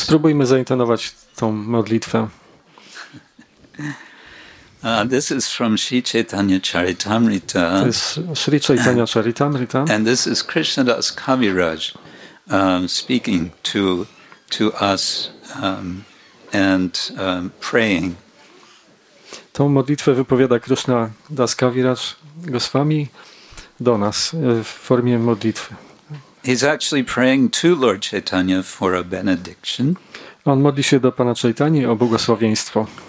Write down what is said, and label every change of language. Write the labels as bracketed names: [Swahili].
[Polish] Spróbujmy zaintonować tą modlitwę. [English] This is from Sri Chaitanya Charitamrita. [Polish] To jest Sri Chaitanya Charitamrita. [English] And this is Krishnadas Kaviraj speaking to us and praying. [Polish] Tą modlitwę wypowiada Krishnadas Kaviraj Goswami do nas w formie modlitwy. [English] He's actually praying to Lord Chaitanya for a benediction. [Polish] On modli się do pana Chaitanyi o błogosławieństwo.